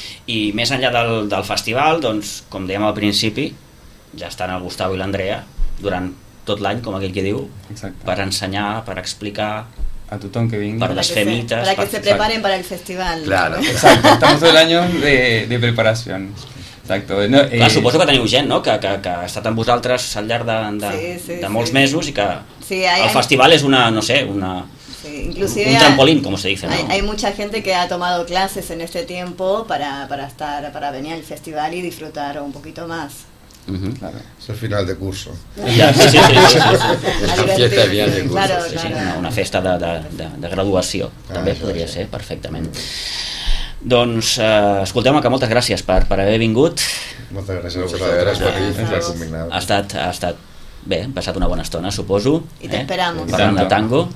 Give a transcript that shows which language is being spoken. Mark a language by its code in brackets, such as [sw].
[ca] I més enllà del festival, doncs, com dèiem al principi, ja estan el Gustavo i l'Andrea durant tot l'any, com aquell que diu. Exacte. Per ensenyar, per explicar a tothom que vingui, per desfer mites, [es] para que se preparen para el festival. Claro. Exacte, estamos todo el año de preparación. Exacto. [ca] No, clar, suposo que teniu gent, no? Que ha estat amb vosaltres al llarg de molts sí, mesos i que sí, el festival és una, no sé, una... [es] Sí, inclusive un trampolín, como se dice, ¿no? Hay mucha gente que ha tomado clases en este tiempo para venir al festival y disfrutar un poquito más. Uh-huh. Claro. Es el final de curso. Ya, sí, sí, sí, sí, sí. La fiesta de final de curso. Claro, sí, sí, claro. [ca] Una festa de graduació, també podria ser, perfectament. Doncs, escolteu-me, que moltes gràcies per haver vingut. Moltes gràcies a vosaltres per haver combinat. Ha estat bé, hem passat una bona estona, suposo. I t'esperam. Parlant de tango.